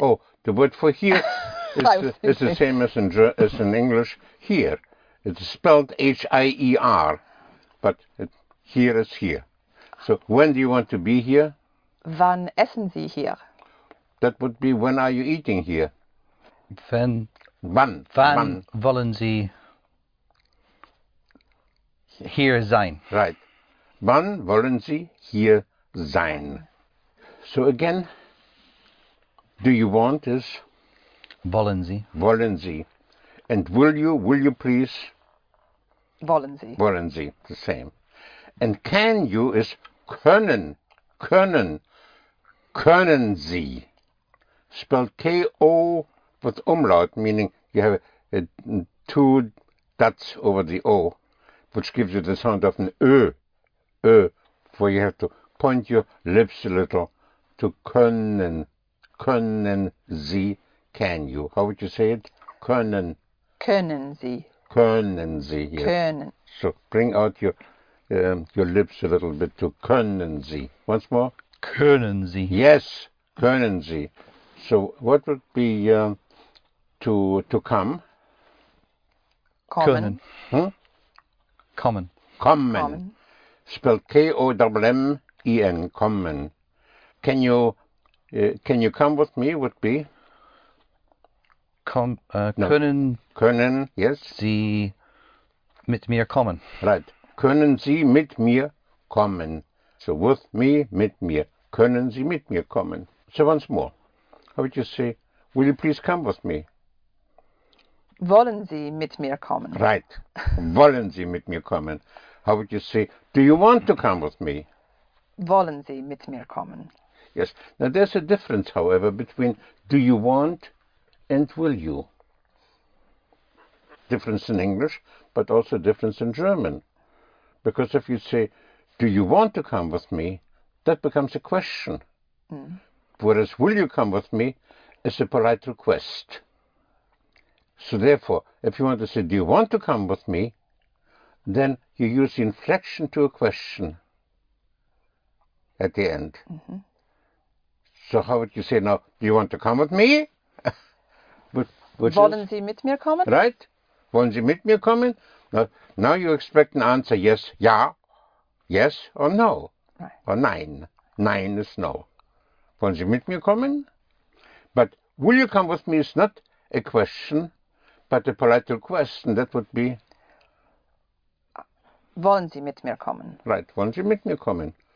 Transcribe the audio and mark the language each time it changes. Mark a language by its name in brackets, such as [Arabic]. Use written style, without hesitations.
[English] Oh, the word for here is the same as in English, here. It's spelled H-I-E-R, but here is here. So, when do you want to be here? [German] Wann essen Sie hier? [English] That would be, when are you eating here? [German] Wann wollen Sie hier sein? [English] Right. [German] Wann wollen Sie hier sein? [English] So again, do you want is? [German] Wollen Sie. Wollen Sie. [English] And will you please? [German] Wollen Sie. Wollen Sie, [English] the same. And can you is können, können, können Sie. Spelled K-O with umlaut, meaning you have two dots over the O, which gives you the sound of an Ö, Ö, where you have to point your lips a little to können, können Sie, can you. How would you say it? Können. [German] Können Sie. Können Sie. Yes. Können. [English] So bring out your lips a little bit to können Sie. Once more. [German] Können Sie. [English] Yes, [German] können Sie. [English] So what would be to come? [German] Kommen. Kommen. [English] Hmm? Kommen. Spelled K-O-M-M-E-N. Kommen. Can you come with me would be? [German] Können yes. Sie mit mir kommen. [English] Right. [German] Können Sie mit mir kommen? [English] So with me, [German] mit mir. Können Sie mit mir kommen? [English] So once more. How would you say, will you please come with me? [German] Wollen Sie mit mir kommen? [English] Right. [German] Wollen Sie mit mir kommen? [English] How would you say, do you want to come with me? [German] Wollen Sie mit mir kommen? [English] Yes. Now there's a difference, however, between do you want and will you. Difference in English, but also difference in German. Because if you say, do you want to come with me, that becomes a question. Mm. Whereas, will you come with me, is a polite request. So therefore, if you want to say, do you want to come with me, then you use the inflection to a question at the end. Mm-hmm. So how would you say now, do you want to come with me? [German] Which wollen is? Sie mit mir kommen? [English] Right. [German] Wollen Sie mit mir kommen? [English] Now you expect an answer, yes, ja, yes or no, right. Or nein. Nein is no. [German] Wollen Sie mit mir kommen? [English] But will you come with me is not a question, but a polite request, and that would be? [German] Wollen Sie mit mir kommen? Right, wollen Sie mit mir kommen?